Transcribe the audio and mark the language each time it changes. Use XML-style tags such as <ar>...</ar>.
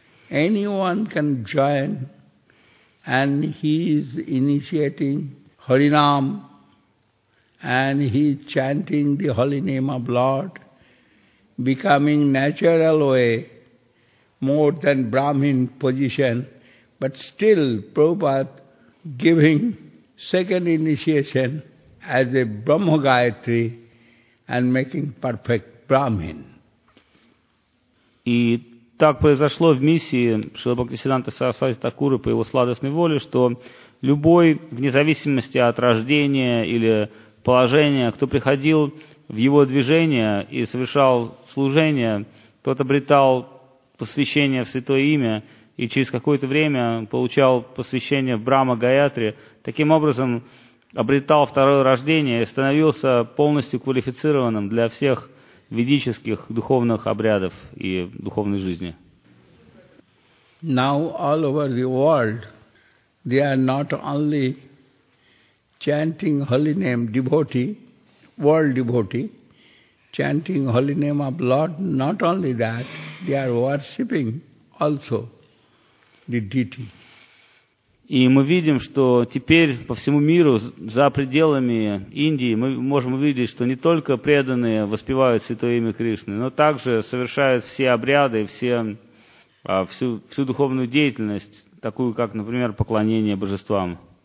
<en>Anyone can join, and he is initiating Harinam, and he is chanting the holy name of Lord, becoming natural way, more than Brahmin position, but still Prabhupada giving second initiation as a Brahma Gayatri and making perfect Brahmin.</en> <ru>Так произошло в миссии Шрила Бхактисиддханта Сарасвати Такура по его сладостной воле, что любой, вне зависимости от рождения или положения, кто приходил в его движение и совершал служение, тот обретал посвящение в святое имя и через какое-то время получал посвящение в Брахма Гаятри, таким образом обретал второе рождение и становился полностью квалифицированным для всех ведических духовных обрядов и духовной жизни.</ru> <en>Now all over the world, they are not only chanting holy name devotee, world devotee, chanting holy name of Lord, not only that, they are worshipping also the deity.</en> <ru>И мы видим, что теперь по всему миру, за пределами Индии, мы можем увидеть, что не только преданные воспевают святое имя Кришны, но также совершают все обряды, всю духовную деятельность, такую как, например, поклонение божествам.</ru>